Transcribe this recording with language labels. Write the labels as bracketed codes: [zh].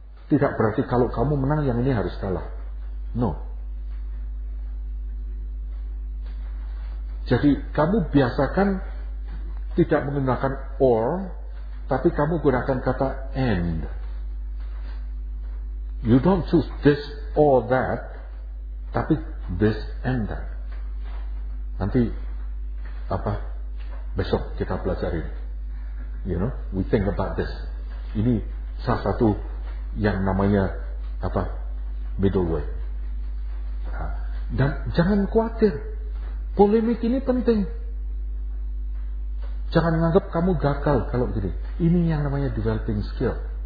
[id] Tidak berarti kalau kamu menang, yang ini harus kalah. No. Jadi kamu biasakan tidak menggunakan or, tapi kamu gunakan kata and. [en] You don't choose this or that, tapi this and that. [id] Nanti apa? Besok kita pelajarin. [en] You know, we think about this. [id] Ini salah satu yang namanya apa? Middle way. Dan jangan khawatir. Polemik ini penting. Jangan menganggap kamu gagal kalau gini. Ini yang namanya developing skill.